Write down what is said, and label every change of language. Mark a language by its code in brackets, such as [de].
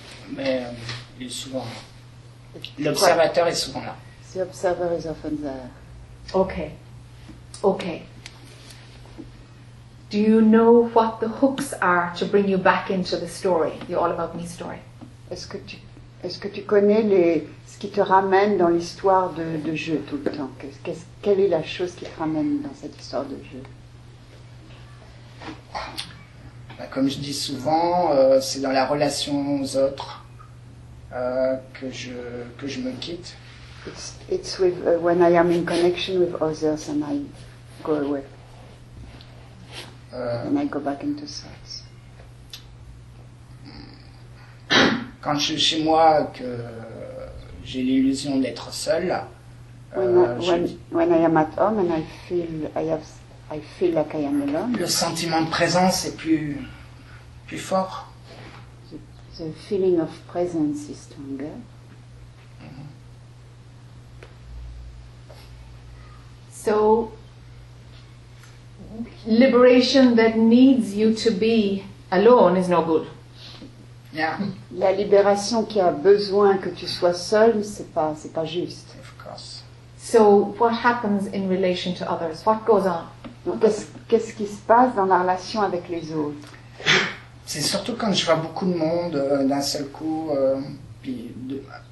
[fr] Mais il est souvent. L'observateur est souvent là. [en] The observer is often there. Okay. Okay. Do you know what the hooks are to bring you back into the story, the All About Me story? [fr] Est-ce que tu connais ce qui te ramène dans l'histoire de jeu tout le temps? Quelle est la chose qui te ramène dans cette histoire de jeu? Bah, comme je dis souvent, c'est dans la relation aux autres que je me quitte. [en] It's with when I am in connection with others and I go away. And I go back into sex. [fr] Quand je suis chez moi, que j'ai l'illusion d'être seul. [en] When I am at home and I feel like I am alone. [fr] Le sentiment de présence est plus fort. [en] The feeling of presence is stronger. Mm-hmm. So. Liberation that needs you to be alone is no good. Yeah. [fr] La libération qui a besoin que tu sois seul, c'est pas juste. [en] Of course. So what happens in relation to others? What goes on? [fr] Qu'est-ce qui se passe dans la relation avec les autres? C'est surtout quand je vois beaucoup de monde d'un seul coup, puis de.